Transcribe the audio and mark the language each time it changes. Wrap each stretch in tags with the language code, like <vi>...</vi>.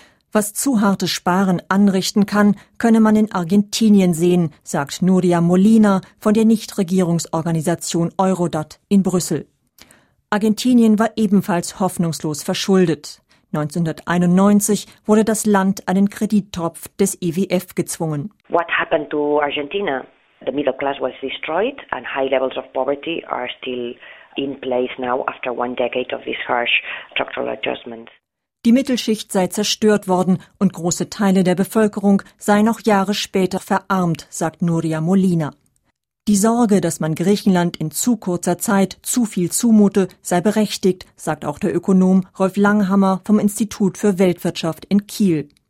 <de>Was zu hartes Sparen anrichten kann, könne man in Argentinien sehen, sagt Nuria Molina von der Nichtregierungsorganisation Eurodat in Brüssel. Argentinien war ebenfalls hoffnungslos verschuldet. 1991 wurde das Land an den Kredittopf des IWF gezwungen.</de> <en>What happened to Argentina? The middle class was destroyed and high levels of poverty are still in place now after one decade of these harsh structural adjustments.</en> <de>Die Mittelschicht sei zerstört worden und große Teile der Bevölkerung seien noch Jahre später verarmt, sagt Nuria Molina. Die Sorge, dass man Griechenland in zu kurzer Zeit zu viel zumute, sei berechtigt, sagt auch der Ökonom Rolf Langhammer vom Institut für Weltwirtschaft in Kiel.</de>